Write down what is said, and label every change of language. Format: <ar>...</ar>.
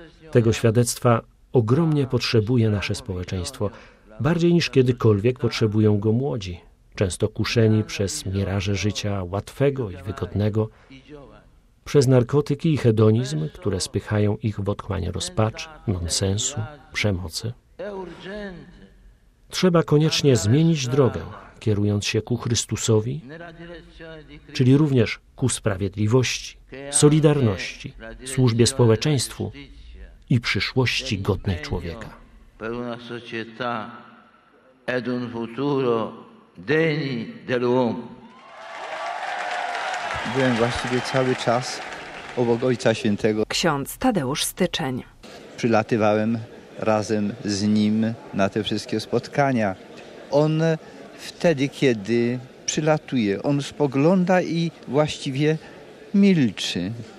<pl>Tego świadectwa ogromnie potrzebuje nasze społeczeństwo, bardziej niż kiedykolwiek potrzebują go młodzi, często kuszeni przez miraże życia łatwego i wygodnego, przez narkotyki i hedonizm, które spychają ich w otchłań rozpaczy, nonsensu, przemocy. Trzeba koniecznie zmienić drogę, kierując się ku Chrystusowi, czyli również ku sprawiedliwości, solidarności, służbie społeczeństwu i przyszłości godnej człowieka.</pl> <it>Per una società ed un futuro degni dell'uomo.</it> <pl>Byłem właściwie cały czas obok Ojca Świętego. Ksiądz Tadeusz Styczeń. Przylatywałem razem z nim na te wszystkie spotkania. On wtedy, kiedy przylatuje, on spogląda i właściwie milczy.</pl>